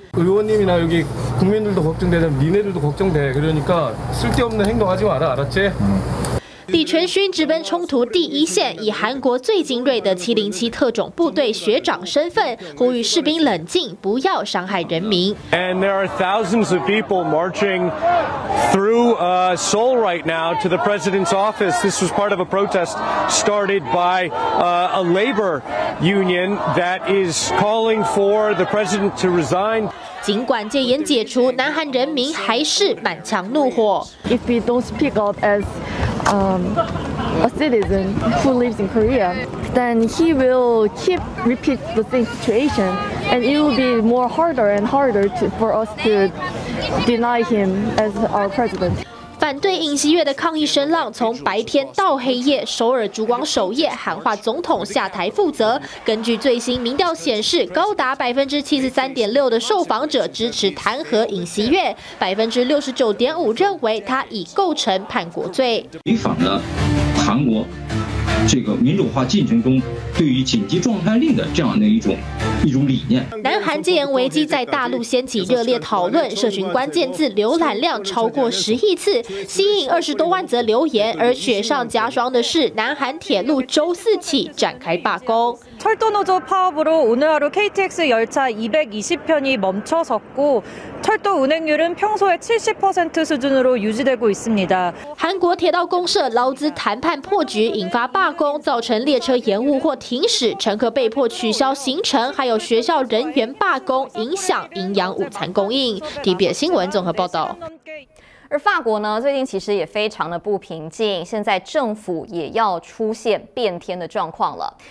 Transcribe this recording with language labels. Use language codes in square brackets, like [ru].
[ko] 의원님이나여기국민들도걱정되잖아니네들도걱정돼그러니까쓸데없는행동하지마라알았지 [zh] 李全勋直奔冲突第一线，以韩国最精锐的707特种部队学长身份，呼吁士兵冷静，不要伤害人民。 [en] And there are thousands of people marching through Seoul right now to the president's office. This was part of a protest started by a labor union that is calling for the president to resign. [zh] 尽管戒严解除，南韩人民还是满腔怒火。 [en] If we don't speak up as a citizen who lives in Korea, then he will keep repeat the same situation, and it will be more harder and harder for us to deny him as our president. [zh] 反对尹锡悦的抗议声浪从白天到黑夜，首尔烛光守夜喊话总统下台负责。根据最新民调显示，高达73.6%的受访者支持弹劾尹锡悦，69.5%认为他已构成叛国罪，违反了韩国这个民主化进程中对于紧急状态令的这样的一种理念。南韩戒严危机在大陆掀起热烈讨论，社群关键字浏览量超过10亿次，吸引20多万则留言。而雪上加霜的是，南韩铁路周四起展开罢工。 [ko] 철도노조파업으로오늘하루 KTX 열차220편이멈춰섰고철도운행률은평소의 70% 수준으로유지되고있습니다 [zh] 韩国铁道公社劳资谈判破局，引发罢工，造成列车延误或停驶，乘客被迫取消行程，还有学校人员罢工，影响营养午餐供应。 TVBS 新闻综合报道。而法国呢，最近其实也非常的不平静，现在政府也要出现变天的状况了。